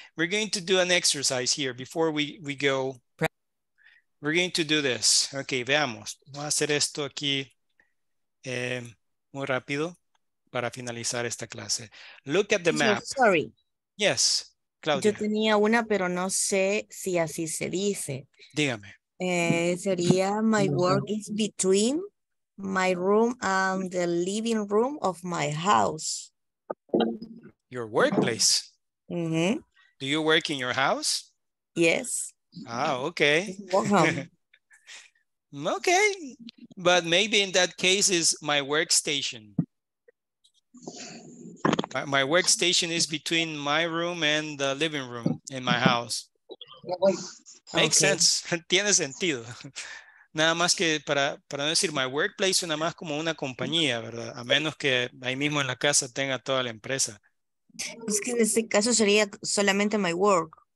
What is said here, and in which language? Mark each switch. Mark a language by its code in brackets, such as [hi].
[en] We're going to do an exercise here before we go. We're going to do this. Okay, [es] veamos. Voy a hacer esto aquí muy rápido para finalizar esta clase. [en] Look at the map. Sorry. Yes, Claudia. [es] Yo tenía una, pero no sé si así se dice. Dígame. Sería, [en] my work is between my room and the living room of my house. Your workplace. Mm-hmm. Do you work in your house? Yes. Ah, okay. Okay. But maybe in that case is my workstation. My workstation is between my room and the living room in my house. Makes okay. sense. [es] Tiene sentido. Nada más que para no decir [en] my workplace, [es] nada más como una compañía, ¿verdad? A menos que ahí mismo en la casa tenga toda la empresa. Es que en este caso sería solamente [en] my work.